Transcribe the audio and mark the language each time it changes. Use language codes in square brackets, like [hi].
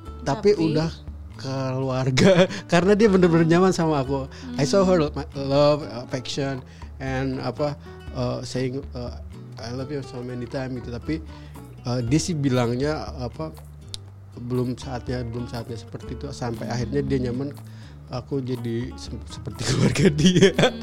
[id] Tapi udah keluarga karena dia benar-benar nyaman sama aku. [en] I saw her love, affection, and [id] apa [en] saying I love you so many times [id] gitu. Tapi dia sih bilangnya apa belum saatnya seperti itu sampai akhirnya dia nyaman aku jadi seperti keluarga dia.